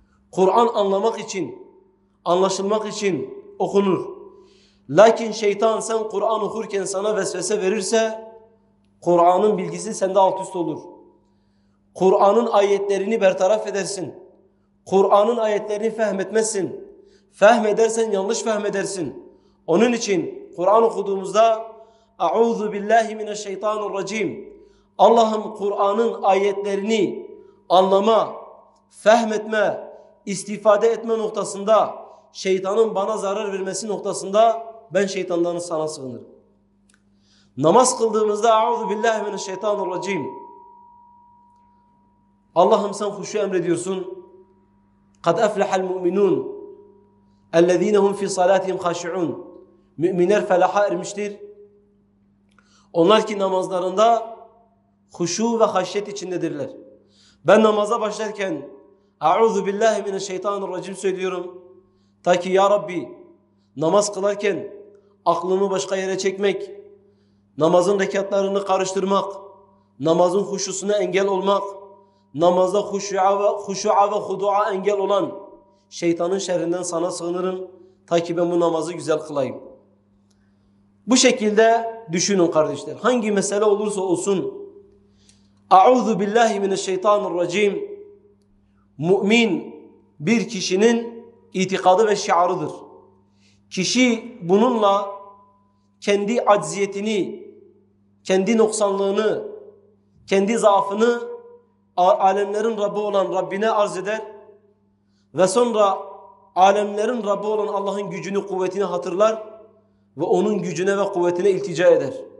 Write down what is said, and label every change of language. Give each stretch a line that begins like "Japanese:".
Turkish: Kur'an anlamak için, anlaşılmak için okunur. Lakin şeytan sen Kur'an okurken sana vesvese verirse Kur'an'ın bilgisi sende alt üst olur. Kur'an'ın ayetlerini bertaraf edersin. Kur'an'ın ayetlerini fehmetmezsin. Fehmedersen yanlış fehmedersin. Onun için Kur'an okuduğumuzda
Arabic: أعوذ بالله من الشيطان الرجيم.
Turkish: Allah'ım Kur'an'ın ayetlerini anlama, fehmetme, istifade etme noktasında şeytanın bana zarar vermesi noktasında ben şeytandan sana sığınırım. Namaz kıldığımızda
Arabic: أعوذ بالله من الشيطان الرجيم.
Turkish: Allah'ım sen huşu emrediyorsun.
Arabic: قَدْ أَفْلَحَ الْمُؤْمِنُونَ الَّذ۪ينَ هُمْ فِي صَلَاتِهِمْ خَاشِعُونَ.
Turkish: Müminler felaha ermiştir. Onlar ki namazlarında huşu ve haşyet içindedirler. Ben namaza başlarken
Arabic: أعوذ بالله من الشيطان الرجيم
Turkish: söylüyorum. Ta ki ya Rabbi namaz kılarken aklımı başka yere çekmek, namazın rekatlarını karıştırmak, namazın huşusuna engel olmak, namaza huşu'a ve hudu'a engel olan şeytanın şerrinden sana sığınırım. Ta ki ben bu namazı güzel kılayım. Bu şekilde düşünün kardeşler. Hangi mesele olursa olsun
Arabic: أعوذ بالله من الشيطان الرجيم.
Turkish: Mümin bir kişinin itikadı ve şiarıdır. Kişi bununla kendi acziyetini, kendi noksanlığını, kendi zaafını alemlerin Rabbi olan Rabbine arz eder ve sonra alemlerin Rabbi olan Allah'ın gücünü, kuvvetini hatırlar ve onun gücüne ve kuvvetine iltica eder.